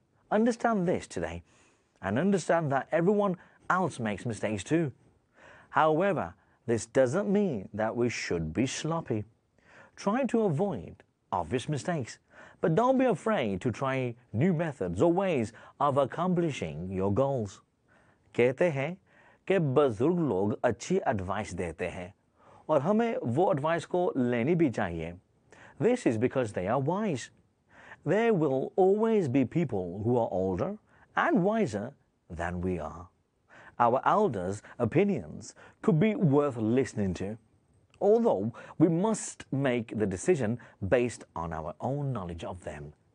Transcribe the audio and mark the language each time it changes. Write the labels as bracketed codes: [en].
[en] Understand this today, and understand that everyone else makes mistakes too. However, this doesn't mean that we should be sloppy. Try to avoid obvious mistakes, but don't be afraid to try new methods or ways of accomplishing your goals. [es] Quédate [hi] कि बुजुर्ग लोग अच्छी advice देते हैं और हमें वो advice को लेनी भी चाहिए. [en] This is because they are wise. There will always be people who are older and wiser than we are. Our elders' opinions could be worth listening to, although we must make the decision based on our own knowledge of them.